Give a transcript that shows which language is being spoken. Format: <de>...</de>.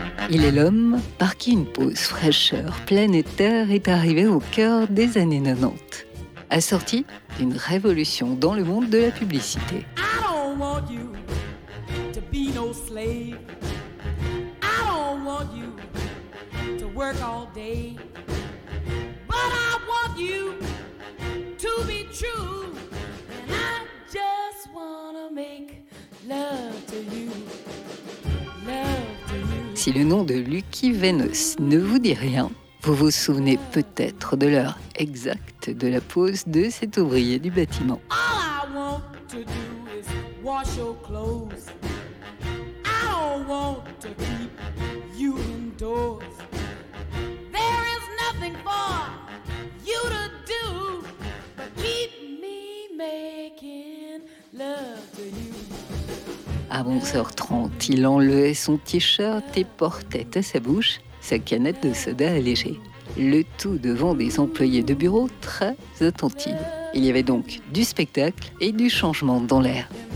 <fr>Il est l'homme par qui une pause fraîcheur planétaire est arrivée au cœur des années 90. Assortie d'une révolution dans le monde de la publicité.</fr> <en>I don't want you to be no slave. I don't want you to work all day. But I want you to be true. And I just wanna make love to you.</en> <fr>Si le nom de Lucky Venus ne vous dit rien, vous vous souvenez peut-être de l'heure exacte de la pause de cet ouvrier du bâtiment.</fr> <en>All I want to do is wash your clothes. I don't want to keep you indoors. There is nothing for you to do but keep me making love to you.</en> <fr>À 11h30, il enlevait son t-shirt et portait à sa bouche sa canette de soda allégée. Le tout devant des employés de bureau très attentifs. Il y avait donc du spectacle et du changement dans l'air.</fr>